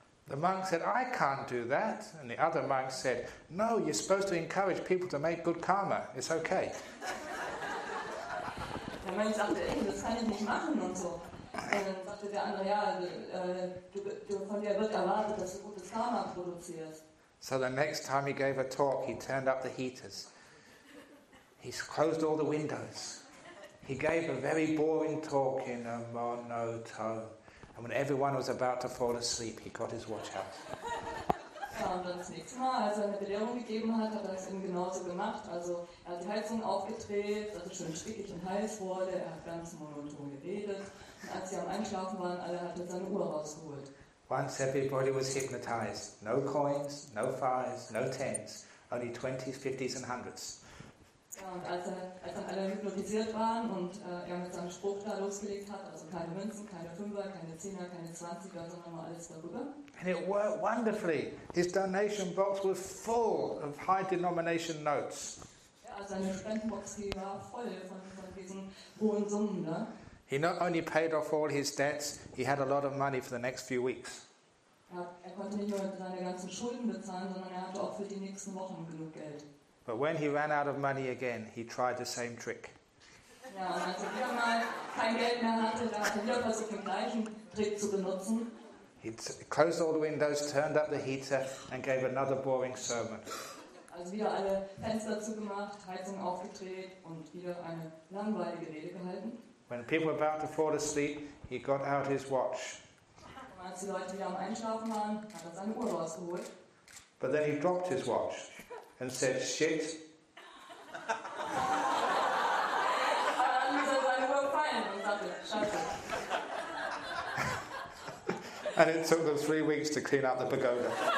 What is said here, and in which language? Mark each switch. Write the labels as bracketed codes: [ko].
[en] The monk said, I can't do that. And the other monk said, no, you're supposed to encourage people to make good karma. It's okay. [de] Der Mönch sagte, ey, das kann ich nicht machen und so. Und dann sagte der andere, ja, du von dir wird erwartet, dass du gutes Karma produzierst. [en] So the next time he gave a talk, he turned up the heaters. He closed all the windows. He gave a very boring talk in a monotone. And when everyone was about to fall asleep, he got his watch out. [de] Ja, und dann das nächste Mal, als er eine Belehrung gegeben hat, hat er es eben genauso gemacht. Also er hat die Heizung aufgedreht, dass es schön stickig und heiß wurde. Er hat ganz monoton geredet. Und als sie am Einschlafen waren, alle hat er seine Uhr rausgeholt. [en] Once everybody was hypnotized. No coins, no fives, no tens. Only 20s, 50s and 100s. [de] Ja, und als dann alle hypnotisiert waren und er mit seinem Spruch da losgelegt hat, also keine Münzen, keine Fünfer, keine Zehner, keine Zwanziger, sondern nur alles darüber. [en] And it worked wonderfully. His donation box was full of high denomination notes. [de] Ja, seine Spendenbox war voll von diesen hohen Summen, ne? [en] He not only paid off all his debts, he had a lot of money for the next few weeks. [de] Er konnte nicht nur seine ganzen Schulden bezahlen, sondern er hatte auch für die nächsten Wochen genug Geld. [en] But when he ran out of money again, he tried the same trick. [de] Ja, und als er wieder mal kein Geld mehr hatte, da hat er wieder versucht, den gleichen Trick zu benutzen. [en] He closed all the windows, turned up the heater and gave another boring sermon. [de] Also wieder alle Fenster zugemacht, Heizung aufgedreht und wieder eine langweilige Rede gehalten. [en] When people were about to fall asleep, he got out his watch. [de] Als die Leute wieder am Einschlafen waren, hat er seine Uhr rausgeholt. [en] But then he dropped his watch and said, shit. [de] Dann ist er seine Uhr gefallen und sagte, scheiße. [en] And it took them 3 weeks to clean up the pagoda.